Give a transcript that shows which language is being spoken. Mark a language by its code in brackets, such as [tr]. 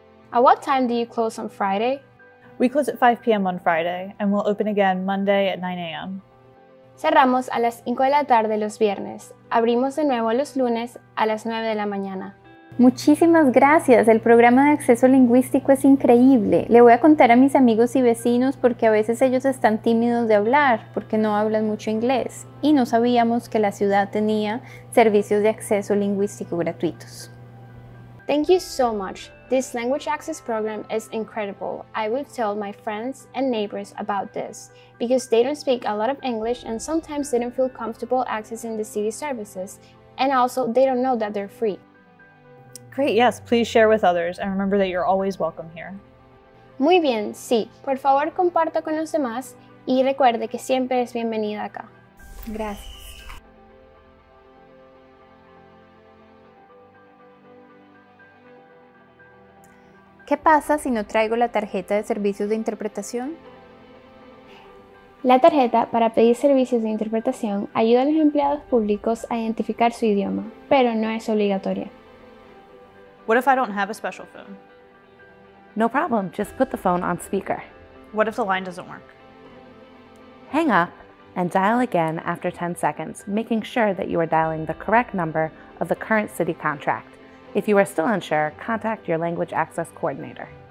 [en] At what time do you close on Friday? We close at 5 p.m. on Friday, and we'll open again Monday at 9 a.m. [es] Cerramos a las 5 de la tarde los viernes. Abrimos de nuevo los lunes a las 9 de la mañana. Muchísimas gracias. El programa de acceso lingüístico es increíble. Le voy a contar a mis amigos y vecinos porque a veces ellos están tímidos de hablar porque no hablan mucho inglés y no sabíamos que la ciudad tenía servicios de acceso lingüístico gratuitos. [en] Thank you so much. This language access program is incredible. I would tell my friends and neighbors about this because they don't speak a lot of English and sometimes they don't feel comfortable accessing the city services. And also, they don't know that they're free. Great, yes, please share with others and remember that you're always welcome here. [es] Muy bien, sí. Por favor, comparta con los demás y recuerde que siempre es bienvenida acá. Gracias. ¿Qué pasa si no traigo la tarjeta de servicios de interpretación? La tarjeta para pedir servicios de interpretación ayuda a los empleados públicos a identificar su idioma, pero no es obligatoria. [en] What if I don't have a special phone? No problem, just put the phone on speaker. What if the line doesn't work? Hang up and dial again after 10 seconds, making sure that you are dialing the correct number of the current city contract. If you are still unsure, contact your language access coordinator.